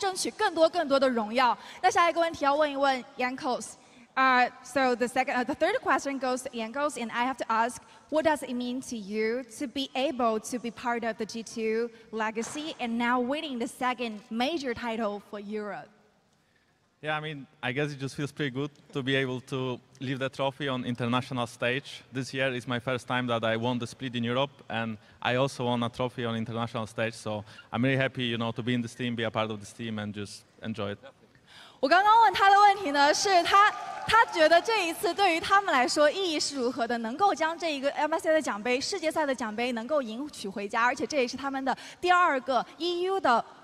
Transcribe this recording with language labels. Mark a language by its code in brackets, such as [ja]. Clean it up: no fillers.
[zh] 我想要为EU赢得更多的奖项。可能在我加入EU赛区的时候，我们的赛区并没有那么的强，但是我希望我和我的队友会通过我们的努力，为我们的赛区争取更多的荣耀。那下一个问题要问一问 Yankos。 [en] So the third question goes to Yankos, and I have to ask, what does it mean to you to be able to be part of the G2 legacy and now winning the second major title for Europe? Yeah, I mean, I guess it just feels pretty good to be able to leave the trophy on international stage. This year is my first time that I won the split in Europe, and I also won a trophy on international stage, so I'm really happy, you know, to be in this team, be a part of this team, and just enjoy it. [zh] 我刚刚问他的问题呢，是他觉得这一次对于他们来说意义是如何的，能够将这一个 MSI 的奖杯、世界赛的奖杯能够赢取回家，而且这也是他们的第二个 EU 的